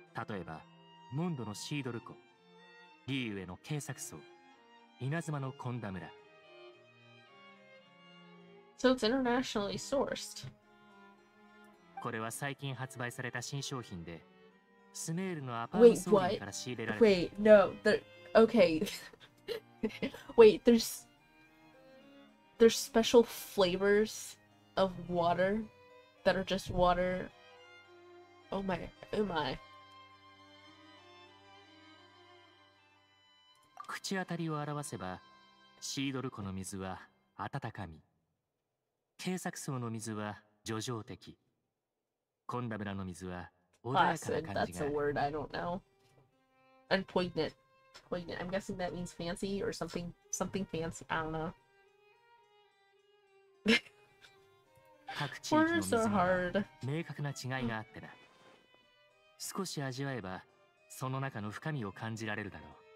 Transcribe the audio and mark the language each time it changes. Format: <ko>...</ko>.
<ja>例えばモンドのシードル湖、リーウェの警察層、稲妻のコンダ村。</ja> <en>So it's internationally sourced.</en> <ja>これは最近発売された新商品で、スメールのアパーム商品から仕入れられた。</ja> <en>Wait, no, there, okay. Wait, there's special flavors of water that are just water. Oh my, oh my.</en> <ja>口当たりを表せば、シードル湖の水は温かみ、ケイサクソウの水は叙情的、コンダブラの水は穏やかな感じがある。</ja> <en>That's a word I don't know. And poignant. Poignant. I'm guessing that means fancy or something fancy. I don't know.</en> <ja>各地域の水には明確な違いがあってな。少し味わえば、その中の深みを感じられるだろう。</ja>